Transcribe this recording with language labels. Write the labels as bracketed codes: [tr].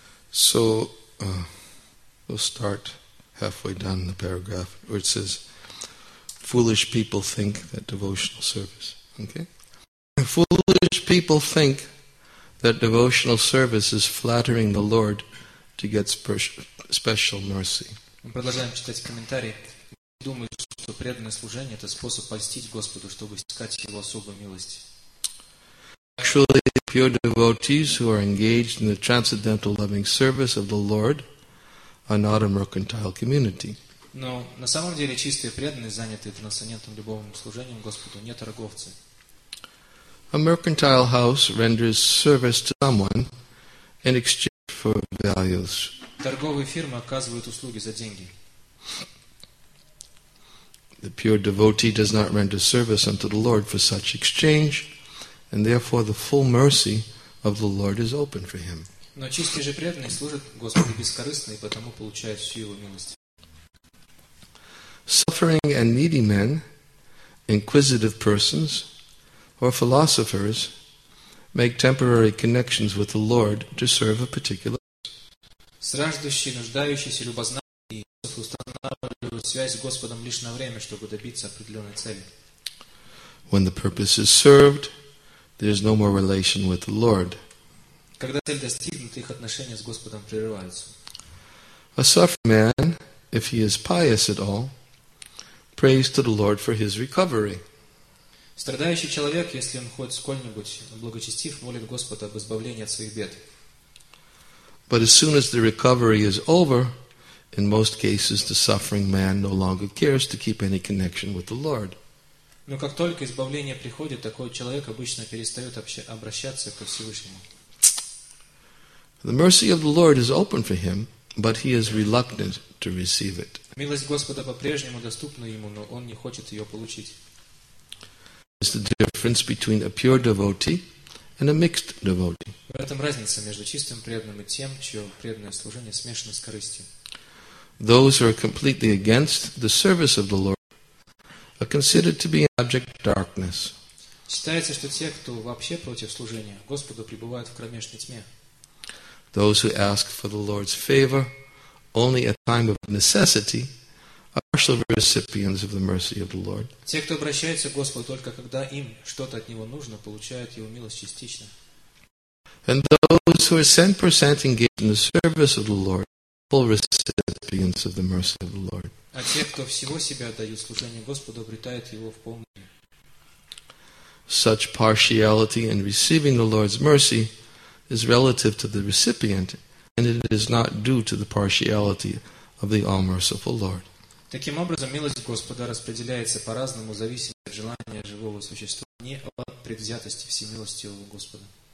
[en] So we'll start halfway down the paragraph where it says, "Foolish people think that devotional service." Okay, foolish people think that devotional service is flattering the Lord to get special mercy. [ru] Мы продолжаем читать комментарии. Думаю, что преданное служение — это способ польстить Господу, чтобы искать Его особую милость. [en] Actually, pure devotees who are engaged in the transcendental loving service of the Lord are not a mercantile community. [ru] Но на самом деле чистые преданные, занятые трансцендентным любовным служением Господу, не торговцы. [en] A mercantile house renders service to someone in exchange for values. [ru] Торговые фирмы оказывают услуги за деньги. [en] The pure devotee does not render service unto the Lord for such exchange. And therefore, the full mercy of the Lord is open for him. [ru] Но чистый же преданный служит Господу бескорыстно и потому получает всю его милость. [en] Suffering and needy men, inquisitive persons, or philosophers make temporary connections with the Lord to serve a particular. [ru] Страждущие, нуждающиеся, любознательные устанавливают связь с Господом лишь на время, чтобы добиться определенной цели. [en] When the purpose is served, there is no more relation with the Lord. [ru] Когда цель достигнута, их отношения с Господом прерываются. [en] A suffering man, if he is pious at all, prays to the Lord for his recovery. [ru] Страдающий человек, если он хоть сколь-нибудь благочестив, молит Господа об избавлении от своих бед. [en] But as soon as the recovery is over, In most cases, the suffering man no longer cares to keep any connection with the Lord. [ru] Но как только избавление приходит, такой человек обычно перестает обращаться ко Всевышнему. [en] The mercy of the Lord is open for him, but he is reluctant to receive it. [ru] Милость Господа по-прежнему доступна ему, но он не хочет ее получить. [en] It's the difference between a pure devotee and a mixed devotee. [ru] В этом разница между чистым преданным и тем, чье преданное служение смешано с корыстью. [en] Those who are completely against the service of the Lord are considered to be an object of darkness. [ru] Считается, что те, кто вообще против служения Господу, пребывают в кромешной тьме. [en] Those who ask for the Lord's favor only at time of necessity are partial recipients of the mercy of the Lord. [ru] Те, кто обращается к Господу только когда им что-то от него нужно, получают его милость частично. [en] And those who are 100% engaged in the service of the Lord are full recipients of the mercy of the Lord. [ru] А те, кто всего себя отдают служению Господу, обретают его в полной. [en] Such partiality in receiving the Lord's mercy is relative to the recipient, and it is not due to the partiality of the all-merciful Lord. [ru] Таким образом, милость Господа распределяется по-разному, зависимо от желания живого существа, не от предвзятости всемилостивого Господа.